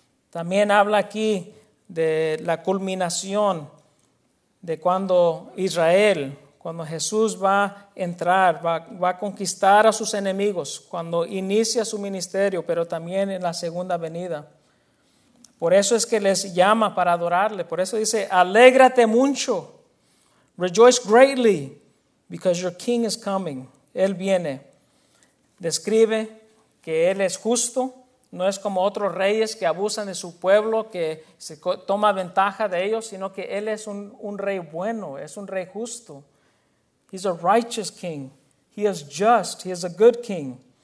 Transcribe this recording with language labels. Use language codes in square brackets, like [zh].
[es] También habla aquí de la culminación de cuando Israel, cuando Jesús va a entrar, va a conquistar a sus enemigos, cuando inicia su ministerio, pero también en la segunda venida. Por eso es que les llama para adorarle. Por eso dice, alégrate mucho. [en] Rejoice greatly, because your king is coming. [es] Él viene. Describe que él es justo. No es como otros reyes que abusan de su pueblo, que se toma ventaja de ellos, sino que él es un rey bueno, es un rey justo. [en] He's a righteous king. He is just. He is a good king.